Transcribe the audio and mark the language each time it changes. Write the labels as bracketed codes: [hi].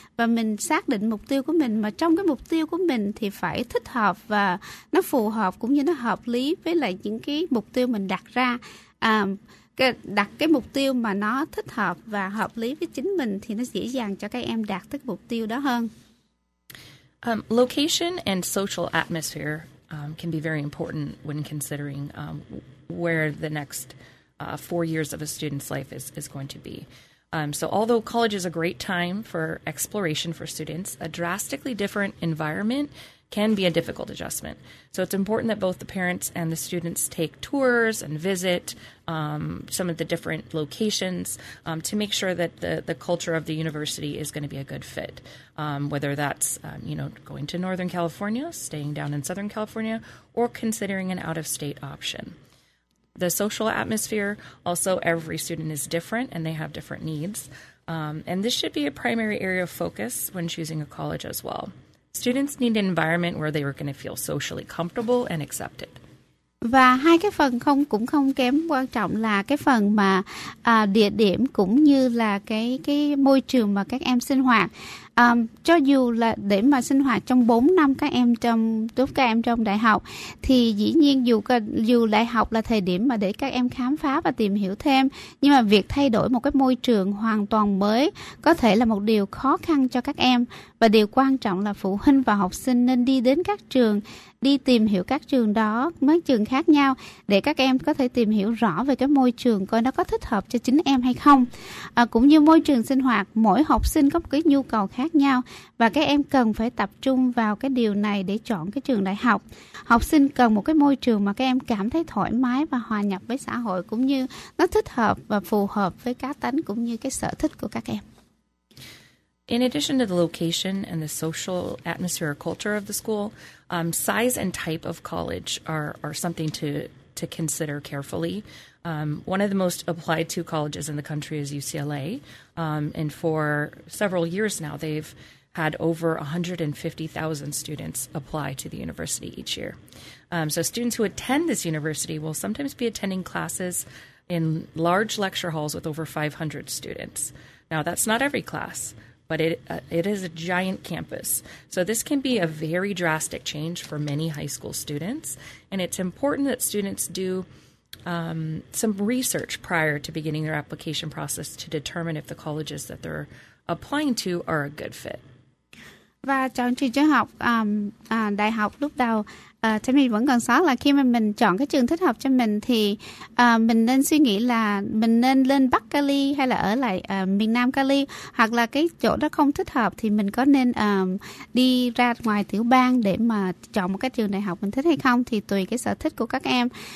[vi] Và mình xác định mục tiêu của mình, mà trong cái mục tiêu của mình thì phải thích hợp và nó phù hợp cũng như nó hợp lý với lại những cái mục tiêu mình đặt ra. Đặt cái mục tiêu mà nó thích hợp và hợp lý với chính mình thì nó dễ dàng cho các em đạt tới mục tiêu đó hơn. [en] Location and social atmosphere can be very important when considering where the next 4 years of a student's life is going to be. So although college is a great time for exploration for students, a drastically different environment can be a difficult adjustment. So it's important that both the parents and the students take tours and visit some of the different locations to make sure that the culture of the university is going to be a good fit, whether that's, going to Northern California, staying down in Southern California, or considering an out-of-state option. The social atmosphere, also every student is different and they have different needs. And this should be a primary area of focus when choosing a college as well. Students need an environment where they are going to feel socially comfortable and accepted. [vi] Và hai cái phần không kém quan trọng là cái phần mà địa điểm cũng như là cái môi trường mà các em sinh hoạt. Cho dù là để mà sinh hoạt trong 4 năm các em trong tốt các em trong đại học, thì dĩ nhiên dù đại học là thời điểm mà để các em khám phá và tìm hiểu thêm, nhưng mà việc thay đổi một cái môi trường hoàn toàn mới có thể là một điều khó khăn cho các em. Và điều quan trọng là phụ huynh và học sinh nên đi đến các trường, đi tìm hiểu các trường đó, mấy trường khác nhau, để các em có thể tìm hiểu rõ về cái môi trường, coi nó có thích hợp cho chính em hay không. Cũng như môi trường sinh hoạt, mỗi học sinh có một cái nhu cầu khác nhau và các em cần phải tập trung vào cái điều này để chọn cái trường đại học. Học sinh cần một cái môi trường mà các em cảm thấy thoải mái và hòa nhập với xã hội, cũng như nó thích hợp và phù hợp với cá tính cũng như cái sở thích của các em. [en] In addition to the location and the social atmosphere or culture of the school, size and type of college are something to consider carefully. One of the most applied to colleges in the country is UCLA, and for several years now, they've had over 150,000 students apply to the university each year. So students who attend this university will sometimes be attending classes in large lecture halls with over 500 students. Now, that's not every class, but it is a giant campus. So this can be a very drastic change for many high school students, and it's important that students do some research prior to beginning their application process to determine if the colleges that they're applying to are a good fit. [vi] Và chọn trường trung học đại học lúc đầu thì mình vẫn còn sót là khi mà mình chọn cái trường thích hợp cho mình thì mình nên suy nghĩ là mình nên lên Bắc Cali hay là ở lại miền Nam Cali, hoặc là cái chỗ đó không thích hợp thì mình có nên đi ra ngoài tiểu bang để mà chọn một cái trường đại học mình thích hay không, thì tùy cái sở thích của các em.